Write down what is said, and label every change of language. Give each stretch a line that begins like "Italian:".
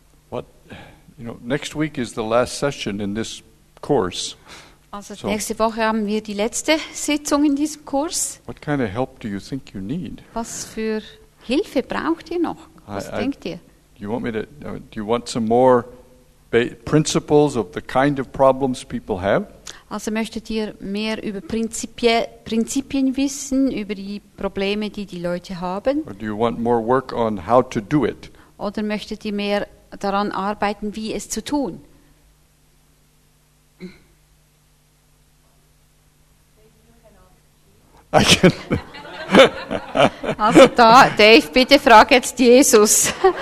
English: What, you know, next week is the last session in this course.
German: Also so, nächste Woche haben wir die letzte Sitzung in diesem Kurs.
English: What kind of help do you think you need?
German: Was für Hilfe braucht ihr noch? Was denkt ihr?
English: You want me to, do you want some more principles of the kind of problems people have?
German: Also möchtet ihr mehr über Prinzipien wissen, über die Probleme, die die Leute haben?
English: Or do you want more work on how to do it?
German: Oder möchtet ihr mehr daran arbeiten, wie es zu tun? Also da, Dave, bitte frag jetzt Jesus.